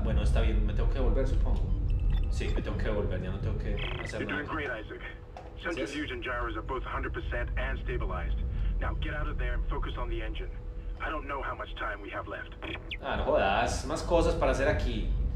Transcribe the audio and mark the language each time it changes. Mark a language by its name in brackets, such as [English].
[Spanish] Bueno, está bien, me tengo que volver, supongo. Sí, me tengo que volver, ya no tengo que hacer nada. [English] You're doing great, Isaac. Centrifusion gyros are both 100% and stabilized. Now get out of there and focus on the engine. I don't know how much time we have left. [Spanish] Ah, no jodas, más cosas para hacer aquí.